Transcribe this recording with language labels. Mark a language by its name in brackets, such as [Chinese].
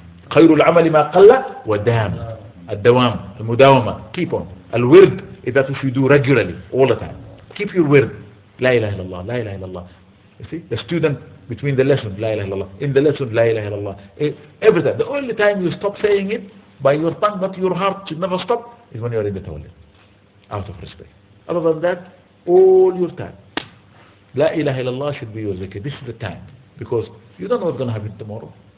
[Arabic] خَيْرُ الْعَمَلِ مَا قَلَّ وَدَامُ الدوام المداومة [English] Keep on. الورد is that if you do regularly, all the time. Keep your word. [Arabic] لا إله إلا الله. لا إله إلا الله. [English] You see, the student between the lesson, [Arabic] لا إله إلا الله. [English] In the lesson, [Arabic] لا إله إلا الله. [English] Every time. The only time you stop saying it by your tongue, but your heart should never stop, is when you are in the toilet. Out of respect. Other than that, all your time. [Arabic] لا إله إلا الله [English] should be your zikr. This is the time. Because you don't know what's going to happen tomorrow.